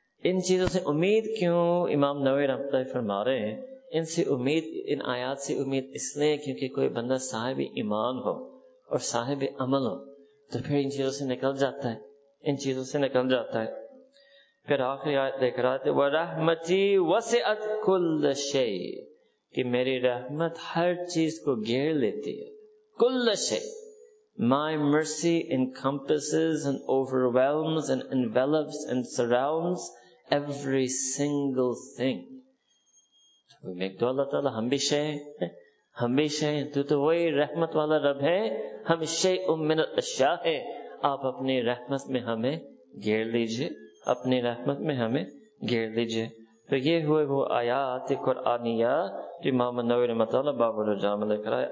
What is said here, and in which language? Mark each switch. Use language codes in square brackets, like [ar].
[ur] ان چیزوں سے امید کیوں امام نووی رحمۃ اللہ فرما رہے ہیں؟ ان سے امید, ان آیات سے امید اس لیے کیونکہ کوئی بندہ صاحب ایمان ہو اور صاحب عمل ہو تو پھر ان چیزوں سے نکل جاتا ہے, ان چیزوں سے نکل جاتا ہے. پھر آخری آیت دیکھ رہا تھا, [ar] وَرَحْمَتِي وَسِعَتْ كُلَّ شَيْءٍ, [ur] کہ میری رحمت ہر چیز کو گھیر لیتی ہے. [ar] كُلَّ شَيْءٍ, [en] my mercy encompasses and overwhelms and envelops and surrounds every single thing. [ur] تو میں تو اللہ تعالیٰ ہم بھی شے ہیں, تو وہی رحمت والا رب ہے, ہم شے من الاشیاء ہیں. آپ اپنی رحمت میں ہمیں گھیر لیجئے, اپنی رحمت میں ہمیں گھیر لیجئے. تو یہ ہوئے وہ آیات قرآنیہ جو امام النووی رحمۃ اللہ باب الرجاء میں لکھ رہا ہے.